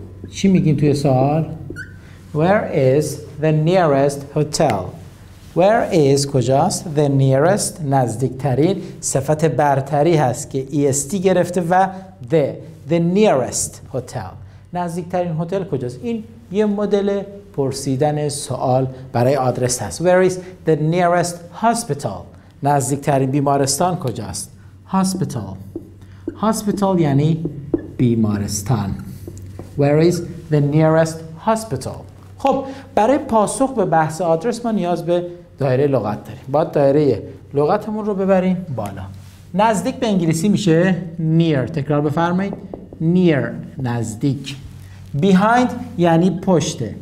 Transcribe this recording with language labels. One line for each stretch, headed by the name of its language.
Persian: چی میگیم توی سوال؟
English: Where is the nearest hotel? Where is
Persian: کجاست؟
English: The nearest,
Persian: نزدیکترین, صفت برتری هست که est گرفته و
English: the nearest hotel.
Persian: نزدیکترین هتل کجاست؟ این یه مدل پرسیدن سوال برای آدرس هست.
English: Where is the nearest hospital?
Persian: نزدیکترین بیمارستان کجاست؟ Hospital. Hospital یعنی بیمارستان.
English: Where is the nearest hospital?
Persian: خب برای پاسخ به بحث آدرس ما نیاز به دایره لغت داریم. باید دایره لغتمون رو ببریم بالا. نزدیک به انگلیسی میشه near. تکرار بفرمایید. Near, نزدیک. Behind یعنی پشت.